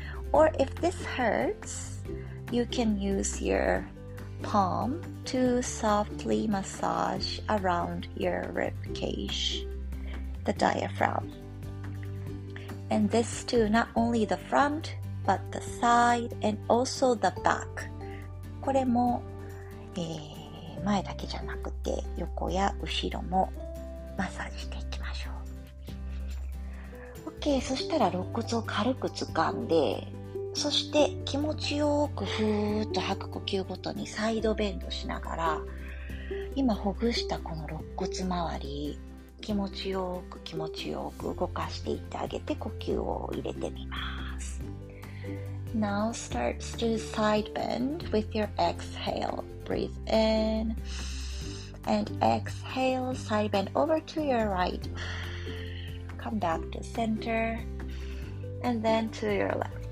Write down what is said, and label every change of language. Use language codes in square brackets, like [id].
[en] Or if this hurts, you can use your palm to softly massage around your rib cage, the diaphragm. And this too, not only the front, but the side and also the back. [ja] これも前だけじゃなくて横や後ろもマッサージしていきましょう。 OK、 そしたら肋骨を軽く掴んで、そして気持ちよくふーっと吐く呼吸ごとにサイドベンドしながら、今ほぐしたこの肋骨周り気持ちよく気持ちよく動かしていってあげて、呼吸を入れてみます。 [en] Now start to side bend with your exhaleBreathe in and exhale, side bend over to your right. Come back to center and then to your left.